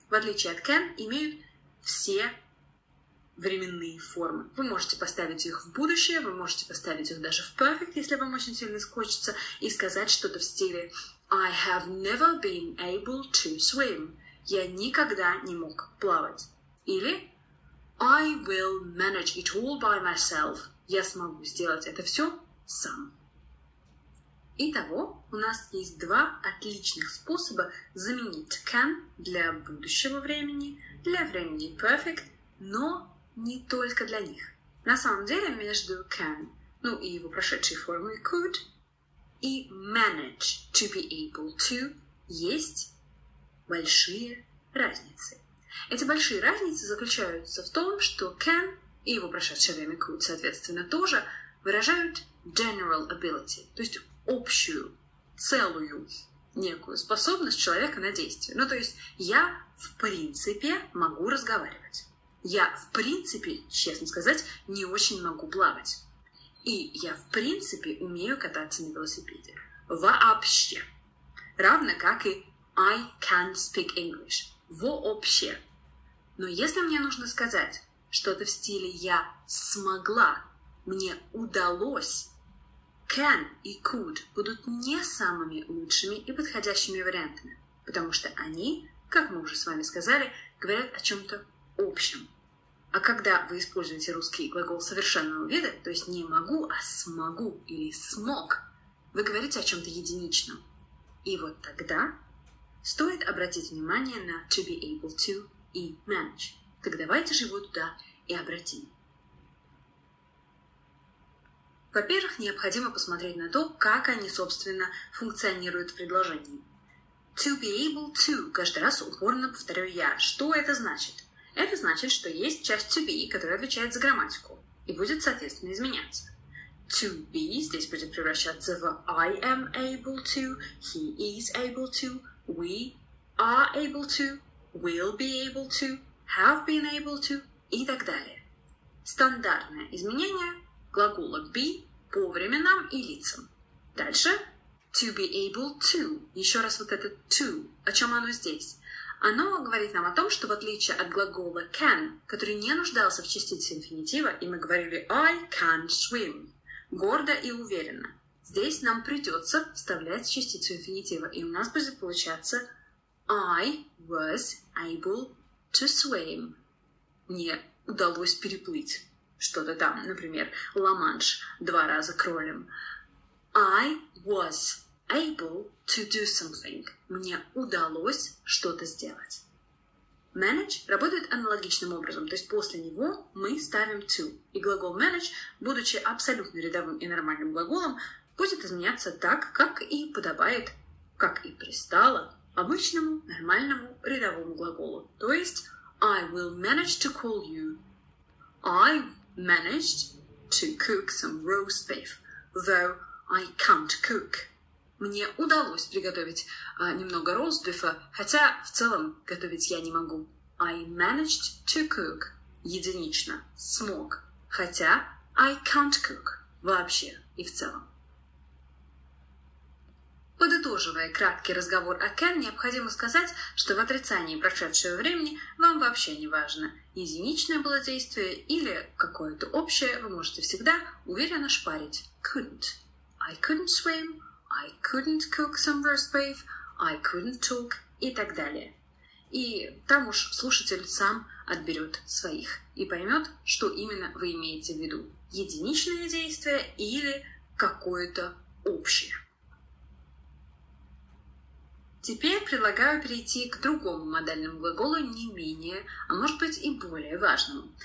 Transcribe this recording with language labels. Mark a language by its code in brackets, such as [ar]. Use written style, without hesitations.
[ru] В отличие от can, имеют все временные формы. Вы можете поставить их в будущее, вы можете поставить их даже в perfect, если вам очень сильно хочется, и сказать что-то в стиле [en] I have never been able to swim. [ru] Я никогда не мог плавать. Или [en] I will manage it all by myself. [ru] Я смогу сделать это все сам. Итого, у нас есть два отличных способа заменить can для будущего времени, для времени perfect, но не только для них. На самом деле, между can, ну и его прошедшей формой could, и manage to be able to есть большие разницы. Эти большие разницы заключаются в том, что can и его прошедшее время could, соответственно, тоже выражают [en] general ability, [ru] то есть общую, целую некую способность человека на действие. Ну, то есть я в принципе могу разговаривать. Я в принципе, честно сказать, не очень могу плавать. И я, в принципе, умею кататься на велосипеде. Вообще. Равно как и [en] I can speak English. [ru] Вообще. Но если мне нужно сказать что-то в стиле «я смогла», «мне удалось», can и could будут не самыми лучшими и подходящими вариантами, потому что они, как мы уже с вами сказали, говорят о чем-то общем. А когда вы используете русский глагол совершенного вида, то есть не могу, а смогу или смог, вы говорите о чем-то единичном. И вот тогда стоит обратить внимание на to be able to и manage. Так давайте же его туда и обратим. Во-первых, необходимо посмотреть на то, как они, собственно, функционируют в предложении. [en] To be able to. [ru] Каждый раз упорно повторю я. Что это значит? Это значит, что есть часть to be, которая отвечает за грамматику и будет, соответственно, изменяться. [en] To be [ru] здесь будет превращаться в [en] I am able to, he is able to, we are able to, will be able to, have been able to [ru] и так далее. Стандартное изменение глагола be по временам и лицам. Дальше [en] to be able to. [ru] Еще раз вот это to. О чем оно здесь? Оно говорит нам о том, что в отличие от глагола can, который не нуждался в частице инфинитива, и мы говорили [en] I can swim, [ru] гордо и уверенно, здесь нам придется вставлять частицу инфинитива, и у нас будет получаться [en] I was able to swim. [ru] Мне удалось переплыть что-то там, например, Ла-Манш два раза кролем. [en] I was able to do something. [ru] Мне удалось что-то сделать. Manage работает аналогичным образом, то есть после него мы ставим to. И глагол manage, будучи абсолютно рядовым и нормальным глаголом, будет изменяться так, как и подобает, как и пристало обычному нормальному рядовому глаголу. То есть [en] I will manage to call you. I managed to cook some roast beef, though I can't cook. [ru] Мне удалось приготовить немного ростбифа, хотя в целом готовить я не могу. [en] I managed to cook. [ru] Единично. Смог. Хотя [en] I can't cook. [ru] Вообще и в целом. Подытоживая краткий разговор о can, необходимо сказать, что в отрицании прошедшего времени вам вообще не важно, единичное было действие или какое-то общее, вы можете всегда уверенно шпарить. [en] Couldn't. I couldn't swim. I couldn't cook some roast beef, I couldn't talk, [ru] и так далее. И там уж слушатель сам отберет своих и поймет, что именно вы имеете в виду. Единичное действие или какое-то общее. Теперь предлагаю перейти к другому модальному глаголу, не менее, а может быть и более важному.